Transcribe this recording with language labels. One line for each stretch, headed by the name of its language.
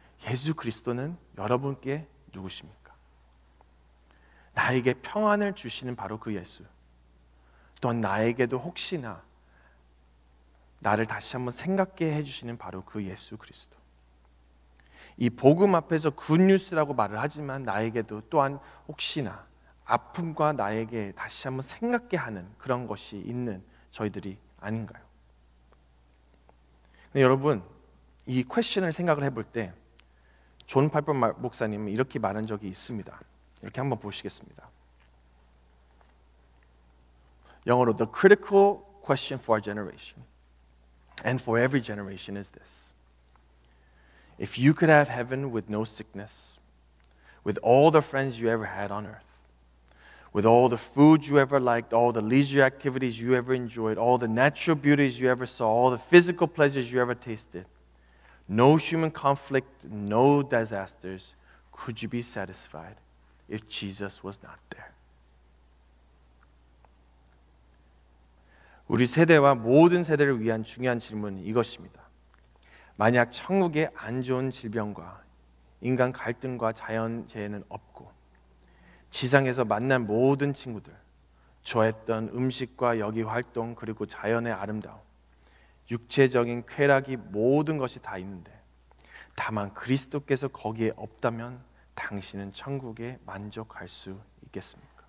Korean: 예수 그리스도는 여러분께 누구십니까? 나에게 평안을 주시는 바로 그 예수, 또한 나에게도 혹시나 나를 다시 한번 생각해 해주시는 바로 그 예수 그리스도, 이 복음 앞에서 굿뉴스라고 말을 하지만 나에게도 또한 혹시나 아픔과 나에게 다시 한번 생각해 하는 그런 것이 있는 저희들이 아닌가요? 근데 여러분, 이 퀘션을 생각을 해볼 때 존 파이퍼 목사님은 이렇게 말한 적이 있습니다. 이렇게 한번 보시겠습니다. 영어로
English: The critical question for our generation and for every generation is this. If you could have heaven with no sickness, with all the friends you ever had on earth, with all the food you ever liked, all the leisure activities you ever enjoyed, all the natural beauties you ever saw, all the physical pleasures you ever tasted, no human conflict, no disasters, could you be satisfied if Jesus was not there?
Korean: 우리 세대와 모든 세대를 위한 중요한 질문은 이것입니다. 만약 천국에 안 좋은 질병과 인간 갈등과 자연재해는 없고 지상에서 만난 모든 친구들, 좋아했던 음식과 여기 활동 그리고 자연의 아름다움, 육체적인 쾌락이 모든 것이 다 있는데 다만 그리스도께서 거기에 없다면 당신은 천국에 만족할 수 있겠습니까?